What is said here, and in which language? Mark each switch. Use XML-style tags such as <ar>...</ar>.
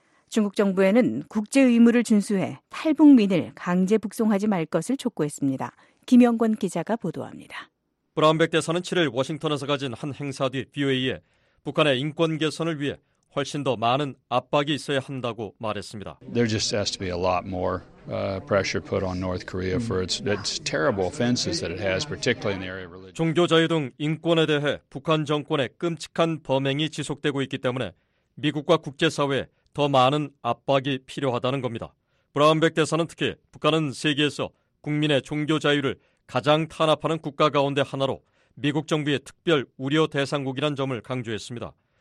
<ko>중국 정부에는 국제 의무를 준수해 탈북민을 강제 북송하지 말 것을 촉구했습니다. 김영권 기자가 보도합니다. 브라운백 대사는 7일 워싱턴에서 가진 한 행사 뒤 BOA에 북한의 인권 개선을 위해 훨씬 더 많은 압박이 있어야 한다고 말했습니다.</ko> <en>There just has to be a lot more pressure put on North Korea for its terrible offenses that it has, particularly in the area of religion.</en> <ko>종교 자유 등 인권에 대해 북한 정권의 끔찍한 범행이 지속되고 있기 때문에 미국과 국제사회에 더 많은 압박이 필요하다는 겁니다. 브라운백 대사는 특히 북한은 세계에서 국민의 종교 자유를 가장 탄압하는 국가 가운데 하나로 미국 정부의 특별 우려 대상국이라는 점을 강조했습니다.</ko>